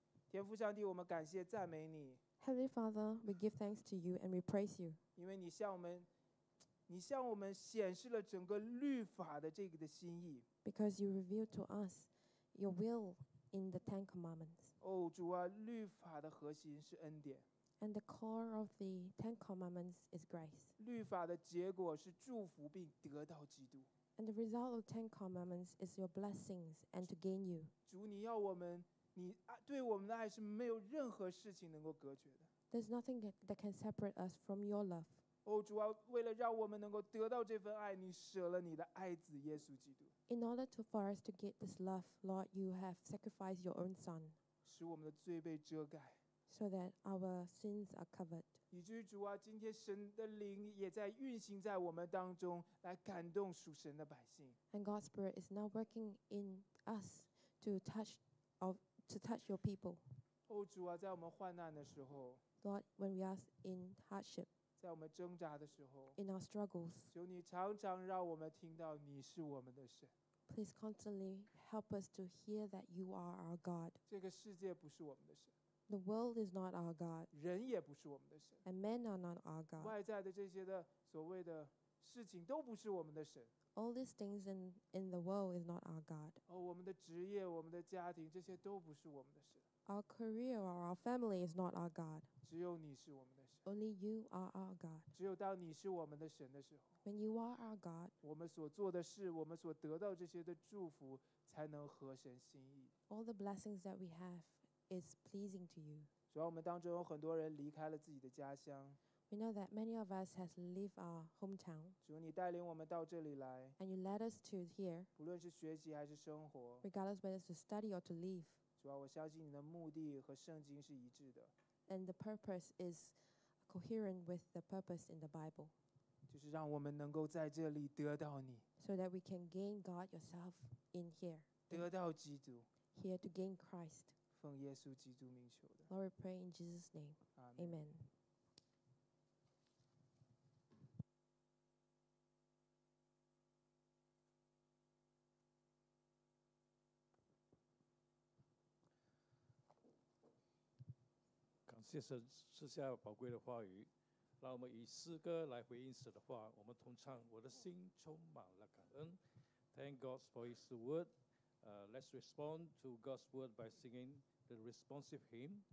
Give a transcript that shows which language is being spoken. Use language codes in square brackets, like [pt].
[zh] 天父上帝，我们感谢赞美你。 [en] Heavenly Father, we give thanks to you and we praise you. [zh] 因为你向我们显示了整个律法的这个的心意。 [en] Because you revealed to us your will in the Ten Commandments. [zh] 哦，主啊，律法的核心是恩典。 [en] And the core of the Ten Commandments is grace. [zh] 律法的结果是祝福并得到基督。 [en] And the result of Ten Commandments is your blessings and to gain you. [zh] 主，你要我们，你对我们的爱是没有任何事情能够隔绝的。 [en] There's nothing that can separate us from your love. [zh] 哦，主啊，为了让我们能够得到这份爱，你舍了你的爱子耶稣基督。 [en] In order for us to get this love, Lord, you have sacrificed your own Son. [zh] 使我们的罪被遮盖。 [en] So that our sins are covered. [zh] 以至于主啊，今天神的灵也在运行在我们当中，来感动属神的百姓。 [en] And God's Spirit is now working in us to touch your people. [zh] 哦，主啊，在我们患难的时候 [en] ，Lord, when we are in hardship, [zh] 在我们挣扎的时候 [en] ，in our struggles, [zh] 求你常常让我们听到你是我们的神。 [en] Please constantly help us to hear that you are our God. [zh] 这个世界不是我们的神。 [en] The world is not our God. [zh] 人也不是我们的神。 [en] And men are not our God. [zh] 外在的这些的所谓的事情都不是我们的神。 [en] All these things in the world is not our God. [zh] 哦，我们的职业、我们的家庭，这些都不是我们的神。 [en] Our career or our family is not our God. [zh] 只有你是我们的神。 [en] Only you are our God. [zh] 只有当你是我们的神的时候。 [en] When you are our God. [zh] 我们所做的事，我们所得到这些的祝福，才能合神心意。 [en] All the blessings that we have is pleasing to you. [zh] 主要我们当中有很多人离开了自己的家乡。 [en] We know that many of us have left our hometown. [zh] 主你带领我们到这里来。 [en] And you led us to here. [zh] 不论是学习还是生活。 [en] Regardless whether to study or to live. [zh] 主啊，我相信你的目的和圣经是一致的。 [en] And the purpose is coherent with the purpose in the Bible. [zh] 就是让我们能够在这里得到你。 [en] So that we can gain God yourself in here. [zh] 得到基督。 [en] Here to gain Christ. [zh] 奉耶稣基督名求的。 [en] Lord, we pray in Jesus' name. Amen. Amen. [zh] 感谢神赐下宝贵的话语，让我们以诗歌来回应神的话。我们同唱，我的心充满了感恩。 [en] Thank God for His word. Let's respond to God's word by singing the responsive hymn.